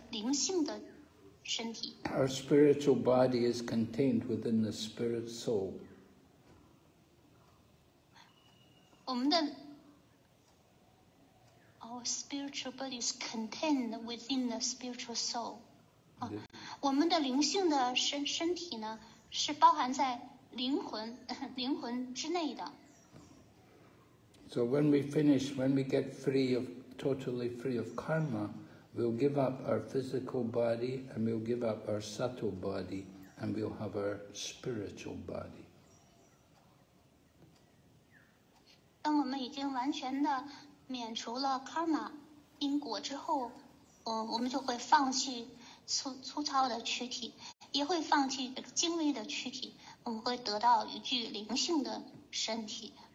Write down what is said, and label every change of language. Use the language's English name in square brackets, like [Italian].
[Chinese] 比精微躯体更加精细的，更加精妙的呢，是灵性的身体。 [English] Our spiritual body is contained within the spirit soul. [Chinese] 我们的 [English] Our spiritual body is contained within the spiritual soul. [Chinese] 我们的灵性的身体呢，是包含在灵魂之内的。 [English] So when we finish, when we get free of, totally free of karma, we'll give up our physical body and we'll give up our subtle body and we'll have our spiritual body. [Chinese] 当我们已经完全的 免除了karma因果之后，我们就会放弃粗糙的躯体，也会放弃精微的躯体，我们会得到一具灵性的身体。